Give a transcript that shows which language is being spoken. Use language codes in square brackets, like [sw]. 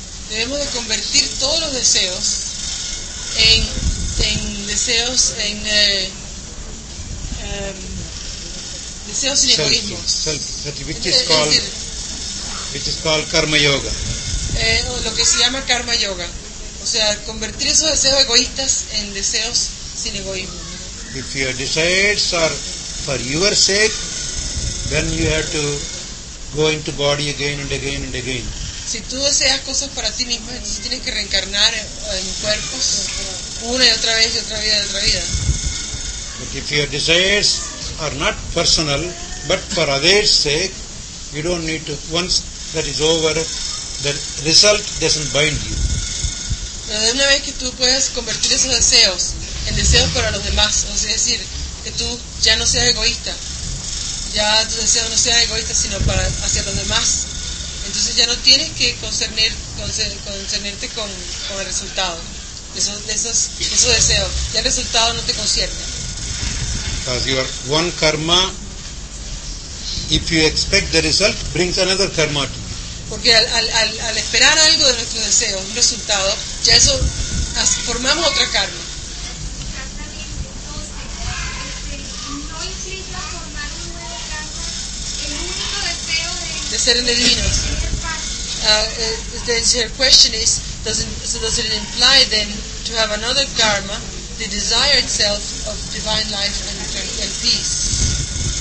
[es] Debemos de convertir todos los deseos en deseos en deseos sin egoísmos. [en] Which is called karma yoga. [es] Lo que se llama karma yoga. O sea, convertir esos deseos egoístas en deseos sin egoísmo. [en] If your desires are for your sake, then you have to go into body again and again and again. [es] Si tú deseas cosas para ti mismo, entonces tienes que reencarnar en cuerpos una y otra vez y otra vida y otra vida. [en] But if your desires are not personal, but for others' sake, you don't need to, once that is over, the result doesn't bind you. [es] Pero de una vez que tú puedes convertir esos deseos en deseos para los demás, o sea, es decir, que tú ya no seas egoísta, ya tus deseos no sean egoístas, sino para hacia los demás, entonces ya no tienes que concernirte con el resultado de esos deseos, ya el resultado no te concierne. [en] Because your one karma, if you expect the result, brings another karma to you. [es] Porque al esperar algo de nuestro deseo, un resultado, ya eso, formamos otra karma. Exactamente. no implica formar un nuevo karma, el único deseo de ser divinos. [en] Her question is, does it imply then to have another karma, the desire itself of divine life and peace?